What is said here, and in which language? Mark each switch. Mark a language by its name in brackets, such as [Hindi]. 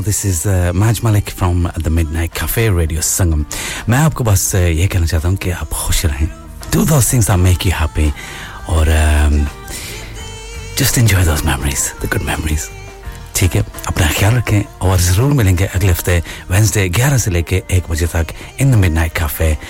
[English] This is Maj Malik from the Midnight Cafe Radio Sangam. [Hindi] मैं आपको बस ये कहना चाहता हूँ कि आप खुश रहें. [English] Do those things that make you happy, और just enjoy those memories, the good memories. [Hindi] ठीक है, अपना ख्याल रखें और ज़रूर मिलेंगे अगले हफ्ते Wednesday 11 से लेके 1 बजे तक in the Midnight Cafe.